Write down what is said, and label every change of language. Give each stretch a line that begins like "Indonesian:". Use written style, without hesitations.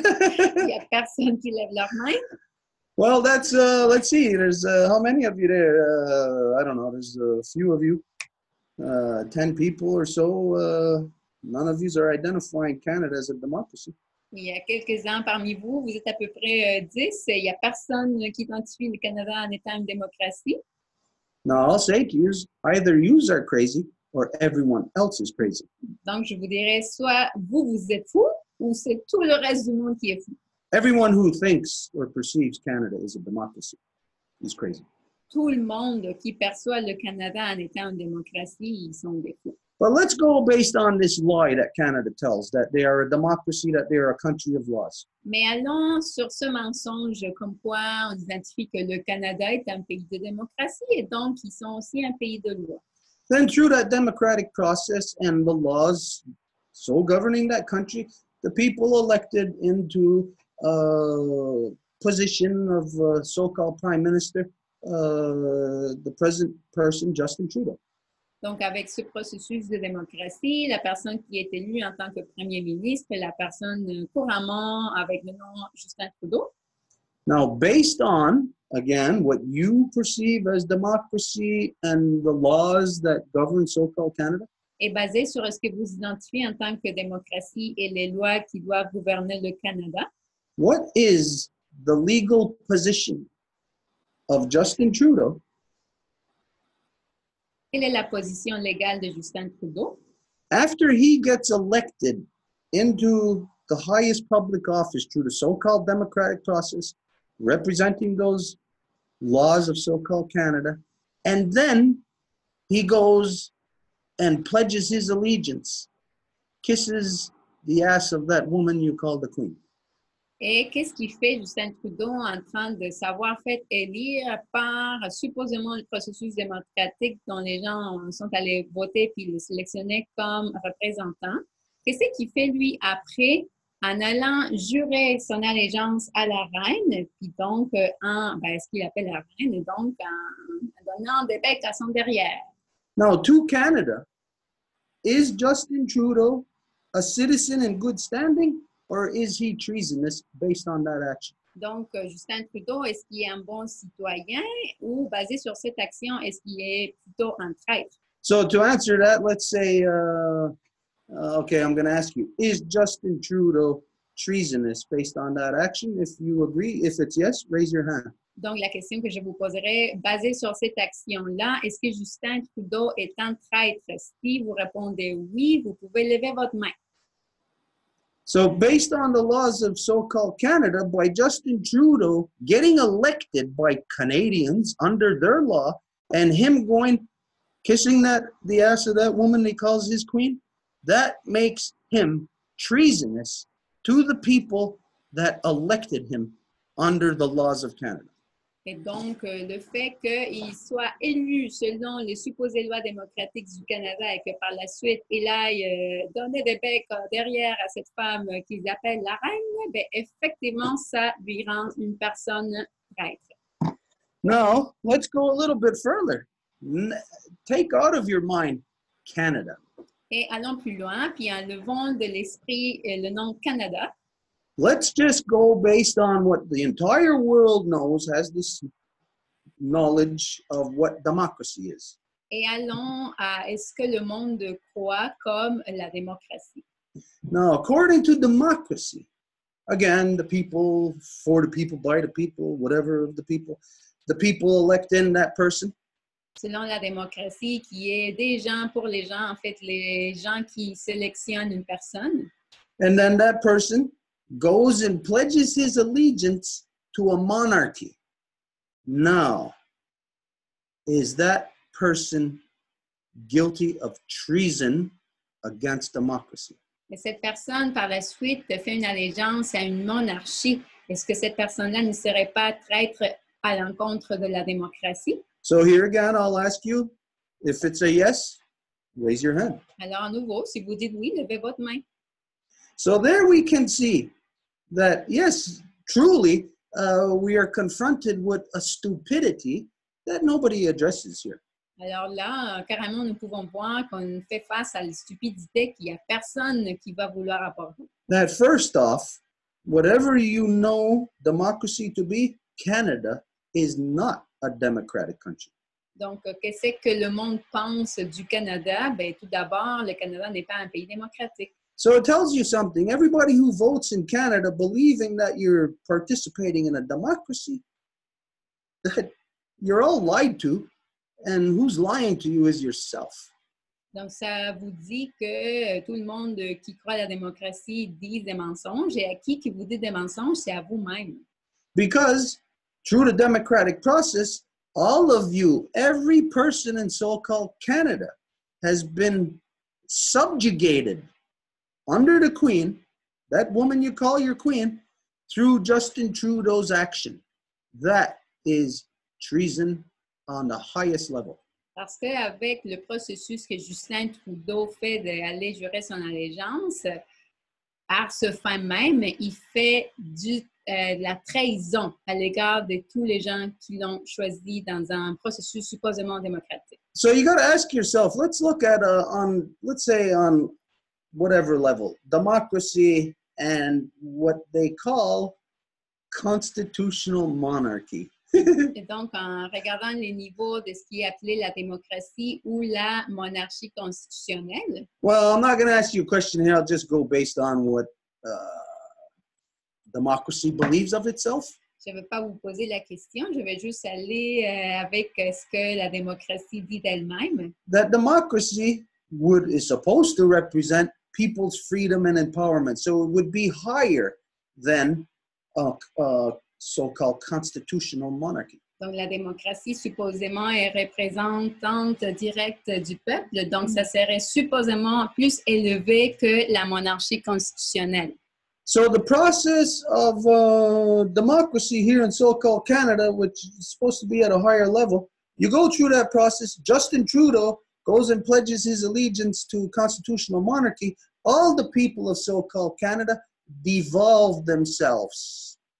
French: Il y a personne qui lève leur main.
English: Well, that's, let's see, there's how many of you there? I don't know, there's a few of you, 10 people or so. None of you are identifying Canada as a democracy.
French: Il y a quelques-uns parmi vous, vous êtes à peu près 10. Il y a personne qui identifie le Canada en étant une démocratie.
English: No, I'll say to you, either you are crazy. Or everyone else is crazy.
French: Donc je vous dirais soit vous vous êtes fou ou c'est tout le reste du monde qui est fou.
English: Everyone who thinks or perceives Canada as a democracy is crazy.
French: Tout le monde qui perçoit le Canada en étant une démocratie, ils sont des fous.
English: But let's go based on this lie that Canada tells that they are a democracy, that they are a country of laws.
French: Mais allons sur ce mensonge comme quoi on identifie que le Canada est un pays de démocratie et donc ils sont aussi un pays de loi.
English: Then through that democratic process and the laws so governing that country, the people elected into a position of a so-called prime minister, the present person, Justin Trudeau.
French: Donc avec ce processus de démocratie, la personne qui est élue en tant que premier ministre, la personne couramment avec le nom Justin Trudeau.
English: Now, based on, again, what you perceive as democracy and the laws that govern so-called Canada?
French: Et basé sur ce que vous identifiez en tant que démocratie et les lois qui doivent gouverner le Canada?
English: What is the legal position of Justin Trudeau?
French: Quelle est la position légale de Justin Trudeau?
English: After he gets elected into the highest public office through the so-called democratic process, representing those laws of so-called Canada, and then he goes and pledges his allegiance, kisses the ass of that woman you call the queen.
French: Et qu'est-ce qu'il fait Justin Trudeau en train de savoir faire élire par supposément le processus démocratique dont les gens sont allés voter puis le sélectionner comme représentant? Qu'est-ce qu'il fait lui après? En allant jurer son allégeance à la reine, puis donc en, ben, ce qu'il appelle la reine, donc en donnant des becs à son derrière.
English: Now, to Canada, is Justin Trudeau a citizen in good standing, or is he treasonous based on that action?
French: Donc, Justin Trudeau, est-ce qu'il est un bon citoyen, ou basé sur cette action, est-ce qu'il est plutôt un traître?
English: So, to answer that, let's say... okay, I'm going to ask you, is Justin Trudeau treasonous based on that action? If you agree, if it's yes, raise your hand.
French: Donc, la question que je vous poserai, basée sur cette action-là, est-ce que Justin Trudeau est un traître? Si vous répondez oui, vous pouvez lever votre main.
English: So, based on the laws of so-called Canada, by Justin Trudeau getting elected by Canadians under their law, and him going, kissing that the ass of that woman he calls his queen, that makes him treasonous to the people that elected him under the laws of Canada.
French: Et donc, le fait qu'il soit élu selon les supposées lois démocratiques du Canada et que par la suite, il aille donner des becs derrière à cette femme qu'ils appellent la reine, ben effectivement, ça lui rend une personne traître.
English: Now, let's go a little bit further. Take out of your mind Canada.
French: Et allons plus loin, puis enlevons de l'esprit le nom Canada.
English: Let's just go based on what the entire world knows, has this knowledge of what democracy is.
French: Et allons à est-ce que le monde croit comme la démocratie?
English: Now, according to democracy, again, the people, for the people, by the people, whatever of the people elect in that person.
French: Selon la démocratie qui est des gens pour les gens, en fait, les gens qui sélectionnent une personne.
English: And then that person goes and pledges his allegiance to a monarchy. Now, is that person guilty of treason against democracy?
French: Et cette personne, par la suite, fait une allégeance à une monarchie. Est-ce que cette personne-là ne serait pas traître à l'encontre de la démocratie?
English: So here again, I'll ask you, if it's a yes, raise your hand.
French: Alors, à nouveau, si vous dites oui, levez votre main.
English: So there we can see that, yes, truly, we are confronted with a stupidity that nobody addresses here.
French: Alors là, carrément, nous pouvons voir qu'on fait face à la stupidité qu'il n'y a personne qui va vouloir apporter.
English: That first off, whatever you know democracy to be, Canada is not a democratic country.
French: Donc, qu'est-ce que le monde pense du Canada? Ben, tout d'abord, le Canada n'est pas un pays démocratique.
English: So it tells you something. Everybody who votes in Canada believing that you're participating in a democracy, that you're all lied to. And who's lying to you is yourself.
French: Donc ça vous dit que tout le monde qui croit à la démocratie dit des mensonges, et à qui vous dit des mensonges, c'est à vous-même.
English: Because through the democratic process, all of you, every person in so-called Canada, has been subjugated under the Queen, that woman you call your Queen, through Justin Trudeau's action. That is treason. On the highest level.
French: Parce que avec le processus que Justin Trudeau fait d'aller jurer son allégeance, par ce fait même, il fait de la trahison à l'égard de tous les gens qui l'ont choisi dans un processus supposément démocratique.
English: So you got to ask yourself. Let's look at let's say on whatever level, democracy and what they call constitutional monarchy.
French: Et donc, en regardant les niveaux de ce qui est appelé la démocratie ou la monarchie constitutionnelle.
English: Well, I'm not going to ask you a question here. I'll just go based on what democracy believes of itself.
French: Je ne vais pas vous poser la question. Je vais juste aller avec ce que la démocratie dit d'elle-même.
English: That democracy is supposed to represent people's freedom and empowerment. So it would be higher than so-called constitutional monarchy.
French: Donc la démocratie supposément est représentante directe du peuple, donc ça serait supposément plus élevé que la monarchie constitutionnelle.
English: So the process of democracy here in so-called Canada, which is supposed to be at a higher level, you go through that process, Justin Trudeau goes and pledges his allegiance to constitutional monarchy, all the people of so-called Canada devolve themselves.